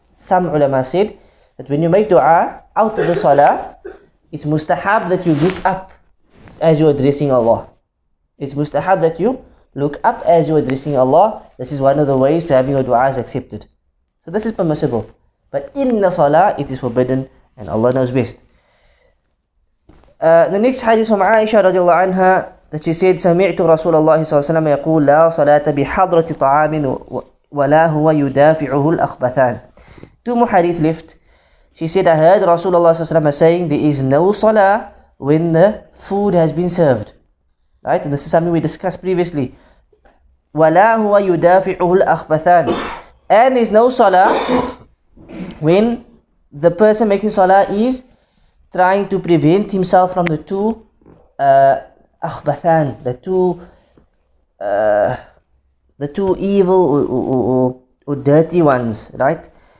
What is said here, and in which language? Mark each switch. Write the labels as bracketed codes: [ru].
[en] Some ulama said that when you make du'a out of the salah, it's mustahab that you look up as you're addressing Allah. It's mustahab that you look up as you're addressing Allah. This is one of the ways to have your du'as accepted. So this is permissible. But in the salah, it is forbidden, and Allah knows best. The next hadith from Aisha radiallahu anha, that she said, [ar] سمعت رسول الله صلى الله عليه وسلم يقول لا صلاة بحضرة طعام ولا هو يدافعه الأخبثان. [en] Two more hadith left. She said, I heard [ar] رسول الله صلى الله عليه وسلم [en] saying, there is no salah when the food has been served. Right? And this is something we discussed previously. [ar] ولا هو يدافعه الأخبثان. [en] And there is no salah when the person making salah is trying to prevent himself from the two Akhbathan, the two evil or dirty ones, right?